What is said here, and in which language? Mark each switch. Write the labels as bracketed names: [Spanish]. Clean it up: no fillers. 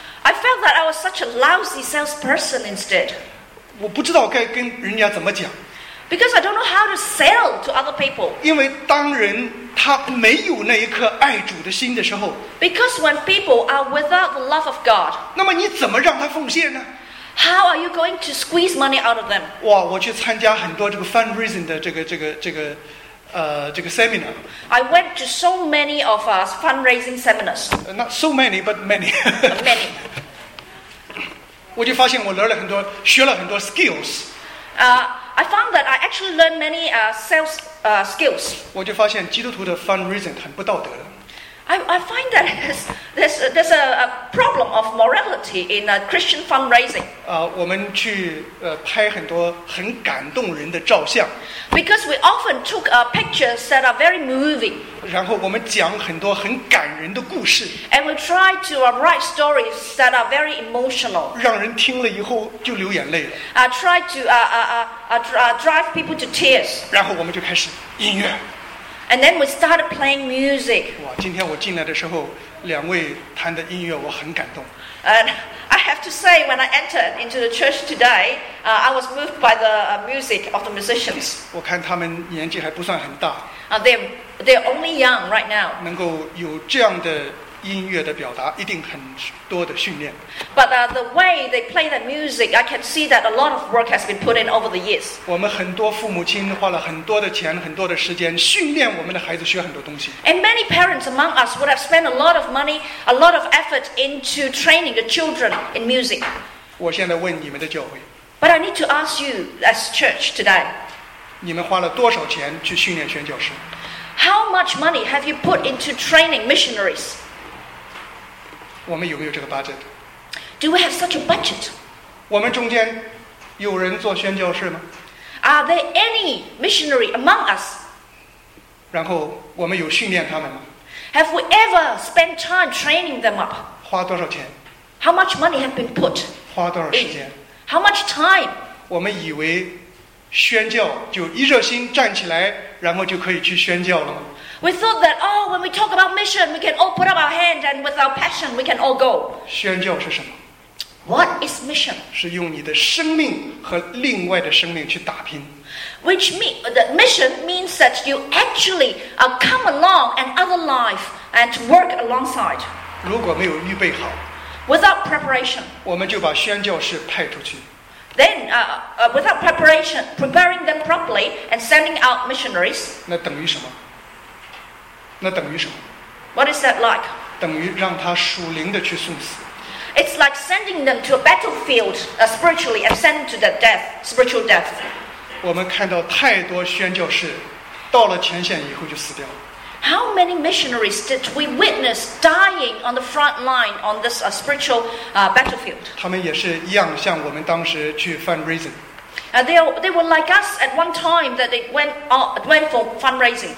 [English] I felt that I was such a lousy salesperson instead. [Chinese] 我不知道该跟人家怎么讲。 [English] Because I don't know how to sell to other people. [Chinese] 因为当人他没有那一颗爱主的心的时候。 [English] Because when people are without the love of God. [Chinese] 那么你怎么让他奉献呢？ [English] How are you going to squeeze money out of them? [Chinese] 哇，我去参加很多这个 fundraising 的这个。这个 seminar. [English] I went to so many of us fundraising seminars. Not so many, but many. many. [Chinese] 我就发现我learn了很多，学了很多 skills. [English] I found that I actually learned many sales skills. [Chinese] 我就发现基督徒的 fundraising 很不道德的。 [English] I find that there's a problem of morality in Christian fundraising. [Chinese] 我们去拍很多很感动人的照相。 [English] Because we often took pictures that are very moving. [Chinese] 然后我们讲很多很感人的故事。 [English] And we try to write stories that are very emotional. [Chinese] 让人听了以后就流眼泪了。 [English] Try to drive people to tears. [Chinese] 然后我们就开始音乐。 [English] And then we started playing music. [Chinese] 哇，今天我进来的时候，两位弹的音乐我很感动。 [English] And I have to say, when I entered into the church today, I was moved by the music of the musicians. [Chinese] 我看他们年纪还不算很大。 [English] They're only young right now. [Chinese] 能够有这样的音乐的表达，一定很多的训练。 [English] But the way they play that music, I can see that a lot of work has been put in over the years. [Chinese] 我们很多父母亲花了很多的钱，很多的时间，训练我们的孩子学很多东西。 [English] And many parents among us would have spent a lot of money, a lot of effort into training the children in music. [Chinese] 我现在问你们的教会。 [English] But I need to ask you as church today. [Chinese] 你们花了多少钱去训练宣教士？ [English] How much money have you put into training missionaries? [Chinese] 我们有没有这个 budget? [English] Do we have such a budget? [Chinese] 我们中间有人做宣教士吗？ [English] Are there any missionary among us? [Chinese] 然后我们有训练他们吗？ [English] Have we ever spent time training them up? [Chinese] 花多少钱？ [English] How much money have been put? [Chinese] 花多少时间？ [English] How much time? [Chinese] 我们以为宣教就一热心站起来，然后就可以去宣教了吗？ [English] We thought that, oh, when we talk about mission, we can all put up our hands and with our passion, we can all go. [Chinese] 宣教是什么？ [English] What is mission? [Chinese] 是用你的生命和另外的生命去打拼。 [English] Which means, the mission means that you actually come along and other life and work alongside. [Chinese] 如果没有预备好。 [English] Without preparation. [Chinese] 我们就把宣教士派出去。 [English] Then, without preparation, preparing them properly and sending out missionaries. [Chinese] 那等于什么？那等于什么？ [English] What is that like? [Chinese] 等于让他属灵的去送死。 [English] It's like sending them to a battlefield spiritually and send them to the death, spiritual death. [Chinese] 我们看到太多宣教士到了前线以后就死掉了。 [English] How many missionaries did we witness dying on the front line on this spiritual battlefield? [Chinese] 他们也是一样像我们当时去 fundraising。 [English] They were like us at one time that they went for fundraising.